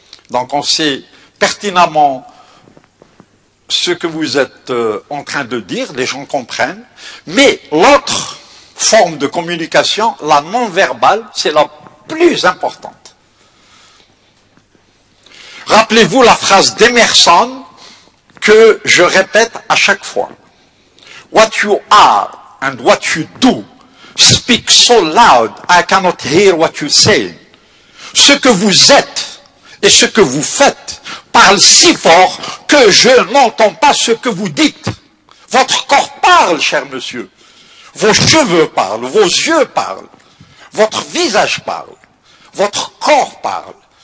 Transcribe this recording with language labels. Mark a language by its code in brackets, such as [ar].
[fr] Donc on sait pertinemment ce que vous êtes en train de dire, les gens comprennent. Mais l'autre forme de communication, la non-verbale, c'est la plus importante. Rappelez-vous la phrase d'Emerson que je répète à chaque fois. [en] « What you are and what you do » Speak so loud, I cannot hear what you say. [fr] Ce que vous êtes et ce que vous faites parle si fort que je n'entends pas ce que vous dites. Votre corps parle, cher monsieur. Vos cheveux parlent, vos yeux parlent, votre visage parle, votre corps parle.